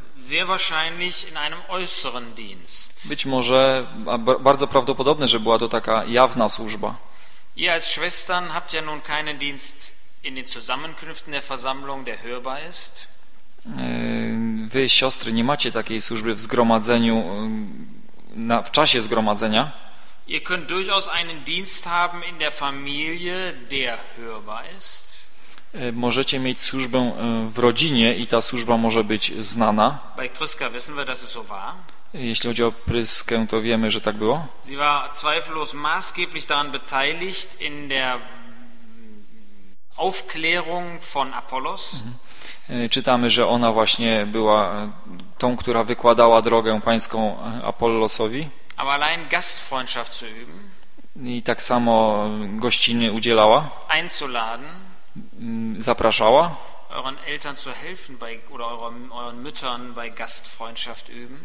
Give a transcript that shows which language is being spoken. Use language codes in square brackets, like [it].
[de] Sehr wahrscheinlich in einem äußeren Dienst. [pl] Być może, bardzo prawdopodobne, że była to taka jawna służba. [de] Ihr als Schwestern habt ja nun keinen Dienst in den Zusammenkünften der Versammlung, der hörbar ist. [pl] Wy, siostry, nie macie takiej służby w zgromadzeniu, w czasie zgromadzenia. [de] Ihr könnt durchaus einen Dienst haben in der Familie, der hörbar ist. [pl] Możecie mieć służbę w rodzinie i ta służba może być znana. [de] Bei Priska wissen wir, dass es so war. [pl] Jeśli chodzi o Pryskę, to wiemy, że tak było. [de] Sie war zweifellos maßgeblich daran beteiligt in der Aufklärung von Apollos. [pl] Czytamy, że ona właśnie była tą, która wykładała drogę pańską Apollosowi. [de] Aber allein Gastfreundschaft zu üben. [pl] I tak samo gościnnie udzielała. [de] Einzuladen. [pl] Zapraszała. [de] Euren Eltern zu helfen bei, oder euren Müttern bei Gastfreundschaft üben.